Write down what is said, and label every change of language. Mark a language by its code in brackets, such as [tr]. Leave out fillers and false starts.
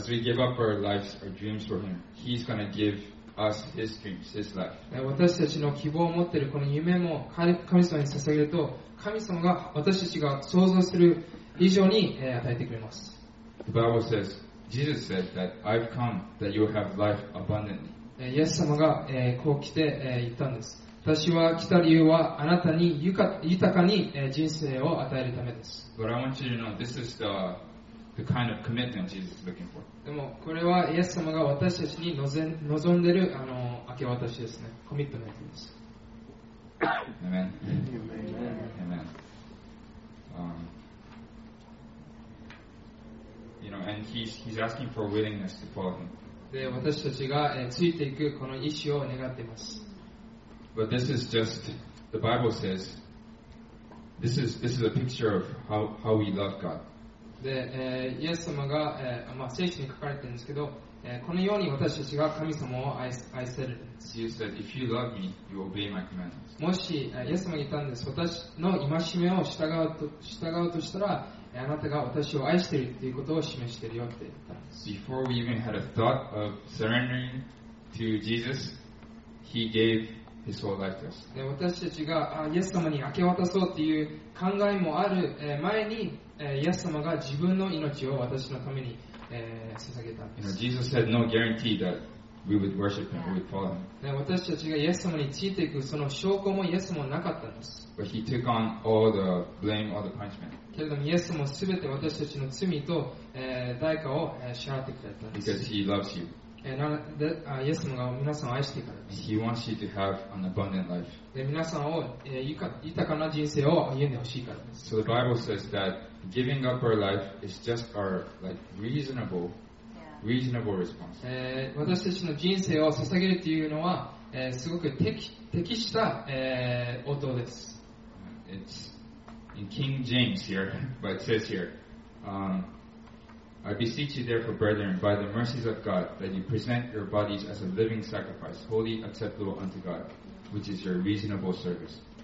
[en] As we give up our lives, our dreams for him, he's going to give us his dreams, his life. [ja] 私たちの希望を持ってるこの夢も神様に捧げると、神様が私たちが想像する以上に、与えてくれます。 [en] The Bible says,Jesus said that I've come that you have life abundantly. [ja] イエス様が、こう来て、言ったんです。私は来た理由はあなたに豊かに、人生を与えるためです。 [en] But I want you to know this is the kind of commitment Jesus is looking for. [ja] でもこれはイエス様が私たちに望んでる明け渡しですね。コミットメントです。 [en] Amen. Amen. Amen. You know, and he's asking for willingness to follow him. [ja] で、私たちが、ついていくこの意思を願っています。 [en] But this is just the Bible says. This is a picture of how we love God. [ja] で、イエス様が、まあ、聖書に書かれてるんですけど、このように私たちが神様を愛せるんです。 [en] Jesus said, "If you love me, you obey my commandments." [ja] もし、イエス様が言ったんです。私の戒めを従うとしたら。あなたが私を愛しているということを示しているよって言ったんです。 [en] Before we even had a thought of surrendering to Jesus, He gave His whole life to us. [ja] 私たちがイエス様に明け渡そうという考えもある前に、イエス様が自分の命を私のために、捧げたんです。 [en] You know, Jesus had no guarantee that we would worship Him, we would follow Him. [ja] 私たちがイエス様についていくその証拠もイエス様なかったんです。 [en] But He took on all the blame, all the punishment. [ja] けれどもイエスもすべて私たちの罪と、代価を、支払ってくれたんです。 [en] Because He loves you. [ja] イエスが皆さんを愛してくれ [en] た。He wants you to have an abundant life. [ja] で皆さんを、豊かな人生を歩んでほしいからです。 [en] So the Bible says that giving up our life is just our like, reasonable response.、 [ja] 私たちの人生を捧げるというのは、すごく適した、応答です。 [en] In King James here, but it says here, I beseech you therefore, brethren, by the mercies of God, that you present your bodies as a living sacrifice, holy, acceptable unto God, which is your reasonable service.